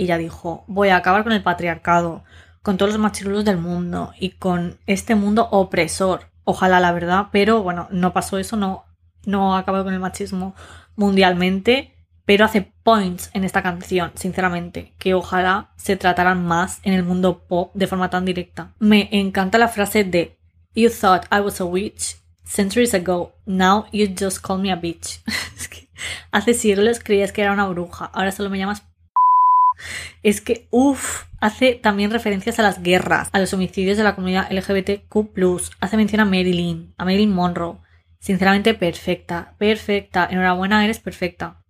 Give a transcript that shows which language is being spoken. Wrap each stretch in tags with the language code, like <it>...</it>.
<es>Y ya dijo, voy a acabar con el patriarcado, con todos los machirulos del mundo y con este mundo opresor. Ojalá, la verdad, pero bueno, no pasó eso, no ha acabado con el machismo mundialmente. Pero hace points en esta canción, sinceramente, que ojalá se trataran más en el mundo pop de forma tan directa. Me encanta la frase de</es> <en>You thought I was a witch centuries ago, now you just call me a bitch.</en> <es>Es que hace siglos creías que era una bruja, ahora solo me llamas Es que, uff, hace también referencias a las guerras, a los homicidios de la comunidad LGBTQ+, hace mención a Marilyn Monroe. Sinceramente, perfecta, perfecta, enhorabuena, eres perfecta.</es>